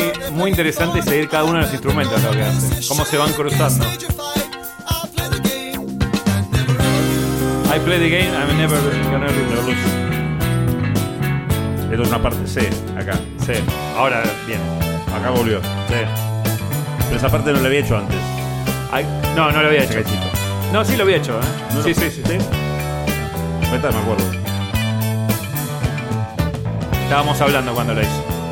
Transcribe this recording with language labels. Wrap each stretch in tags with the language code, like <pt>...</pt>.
<es>Muy interesante seguir cada uno de los instrumentos, lo que hace, cómo se van cruzando.</es> <en>I play the game, I'm never gonna lose.</en> <es>Esto es una parte C, acá. C. Ahora, bien. Acá volvió. C. Pero esa parte no la había hecho antes. No lo había hecho. Chiquito. No, sí lo había hecho, ¿eh? No, sí, no. Sí. Ahorita me acuerdo. Estábamos hablando cuando lo hizo.</es>